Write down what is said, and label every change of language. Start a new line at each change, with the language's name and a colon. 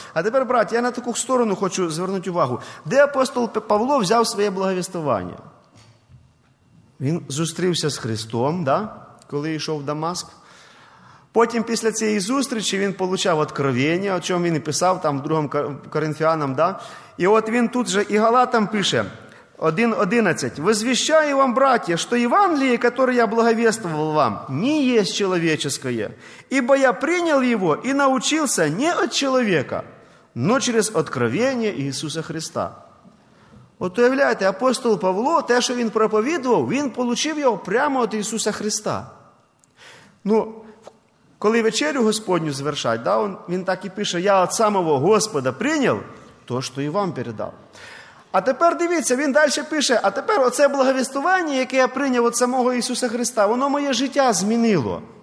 Ukrainian: А тепер, брат, я на таку сторону хочу звернути увагу. Де апостол Павло взяв своє благовіствування? Він зустрівся з Христом, да? Коли йшов в Дамаск. Потім після цієї зустрічі він отримав откровення, о чому він і писав там в другому Коринфіанам. Да? І от він тут же і Галатам пише, 1.11.
Russian: «Возвещаю вам, братья, что Евангелие, которое я благовествовал вам, не есть человеческое, ибо я принял его и научился не от человека, но через откровение Иисуса Христа».
Ukrainian: От уявляєте, апостол Павло, те, що він проповідував, він получив його прямо от Ісуса Христа. Ну, коли вечерю Господню звершать, да, він так і пише,
Russian: «Я от самого Господа принял то,
Ukrainian: що і вам передав». А тепер дивіться, він далі пише, а тепер оце благовіствування, яке я прийняв від самого Ісуса Христа, воно моє життя змінило.